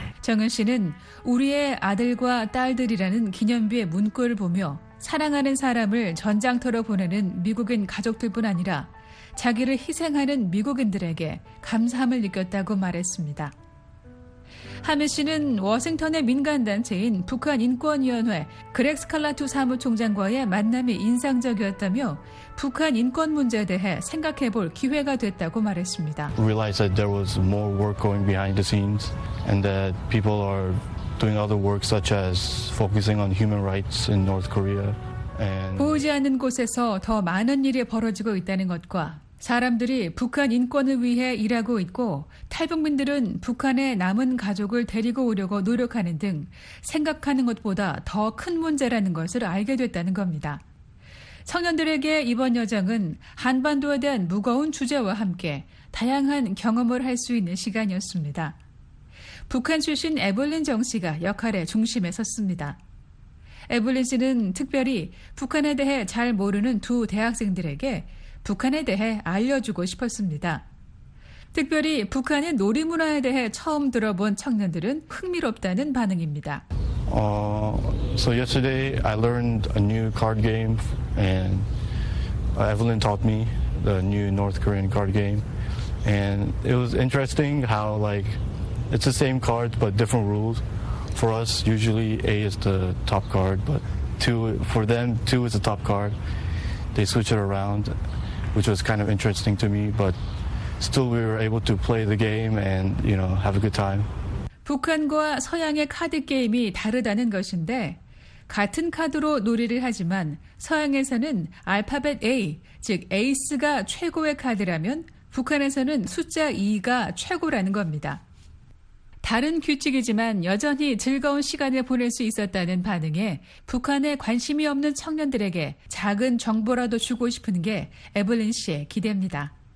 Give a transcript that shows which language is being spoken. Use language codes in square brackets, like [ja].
[ko] 정은 씨는 우리의 아들과 딸들이라는 기념비의 문구를 보며 사랑하는 사람을 전장터로 보내는 미국인 가족들뿐 아니라 자기를 희생하는 미국인들에게 감사함을 느꼈다고 말했습니다. 하민 씨는 워싱턴의 민간단체인 북한인권위원회 그렉 스칼라투 사무총장과의 만남이 인상적이었다며 북한 인권 문제에 대해 생각해 볼 기회가 됐다고 말했습니다. [en] Realized that there was more work going behind the scenes and that people are doing other work such as focusing on human rights in North Korea. And [ko] 보이지 않는 곳에서 더 많은 일이 벌어지고 있다는 것과 사람들이 북한 인권을 위해 일하고 있고 탈북민들은 북한의 남은 가족을 데리고 오려고 노력하는 등 생각하는 것보다 더 큰 문제라는 것을 알게 됐다는 겁니다. 청년들에게 이번 여정은 한반도에 대한 무거운 주제와 함께 다양한 경험을 할 수 있는 시간이었습니다. 북한 출신 에블린 정 씨가 역할의 중심에 섰습니다. 에블린 씨는 특별히 북한에 대해 잘 모르는 두 대학생들에게 북한에 대해 알려주고 싶었습니다. 특별히 북한의 놀이문화에 대해 처음 들어본 청년들은 흥미롭다는 반응입니다. [en] So yesterday I learned a new card game and Evelyn taught me the new North Korean card game. And it was interesting how like it's the same card but different rules. For us, usually A is the top card, but for them, two is the top card. They switch it around, which was kind of interesting to me, but still we were able to play the game and, you know, have a good time. [ko] 북한과 서양의 카드 게임이 다르다는 것인데, 같은 카드로 놀이를 하지만 서양에서는 알파벳 A, 즉 에이스가 최고의 카드라면 북한에서는 숫자 2가 최고라는 겁니다. 다른 규칙이지만 여전히 즐거운 시간을 보낼 수 있었다는 반응에 북한에 관심이 없는 청년들에게 작은 정보라도 주고 싶은 게 에블린 씨의 기대입니다.